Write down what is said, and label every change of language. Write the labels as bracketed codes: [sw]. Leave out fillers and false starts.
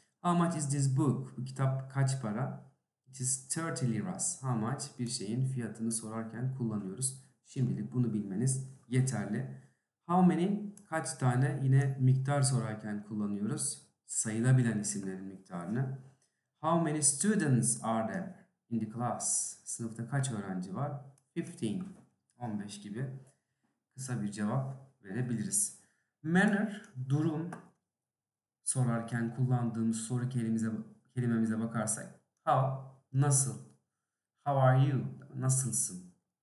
[en] How much is this book? [tr] Bu kitap kaç para? [en] It is 30 liras. How much? [tr] Bir şeyin fiyatını sorarken kullanıyoruz. Şimdilik bunu bilmeniz yeterli. [en] How many? [tr] Kaç tane? Yine miktar sorarken kullanıyoruz. Sayılabilen isimlerin miktarını. [en] How many students are there in the class? [tr] Sınıfta kaç öğrenci var? 15. 15 gibi kısa bir cevap verebiliriz. Manner, durum sorarken kullandığımız soru kelimemize bakarsak. [en] How, [tr] nasıl? [en] How are you? [tr] Nasılsın?